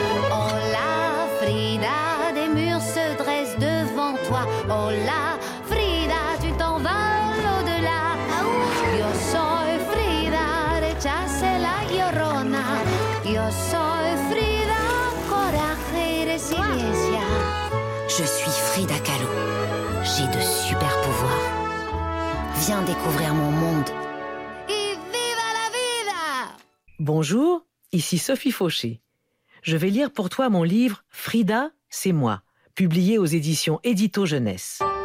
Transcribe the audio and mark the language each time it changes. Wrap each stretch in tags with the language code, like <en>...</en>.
<fr>Hola Frida, des murs se dressent devant toi. Hola Frida, tu t'en vas à l'au-delà.</fr> <es>Yo soy Frida, rechace la llorona. Yo soy Frida, coraje y resiliencia.</es> <fr>Je suis Frida Kahlo. J'ai de super pouvoirs. Viens découvrir mon monde.</fr> <es>Y viva la vida!</es> <fr>Bonjour, ici Sophie Fauché. Je vais lire pour toi mon livre « Frida, c'est moi », publié aux éditions Édito Jeunesse.</fr>